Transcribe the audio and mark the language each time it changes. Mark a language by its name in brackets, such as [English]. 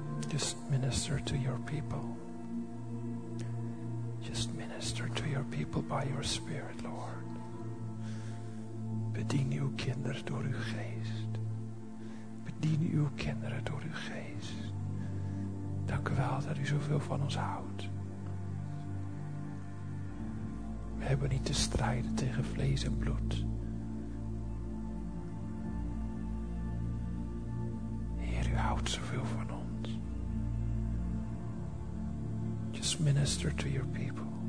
[English] Just minister to your people. Just minister. Minister to your people by your spirit, Lord. [Dutch] Bedien uw kinderen door uw geest. Bedien uw kinderen door uw geest. Dank u wel dat u zoveel van ons houdt. We hebben niet te strijden tegen vlees en bloed. Heer, u houdt zoveel van ons. [English] Just minister to your people.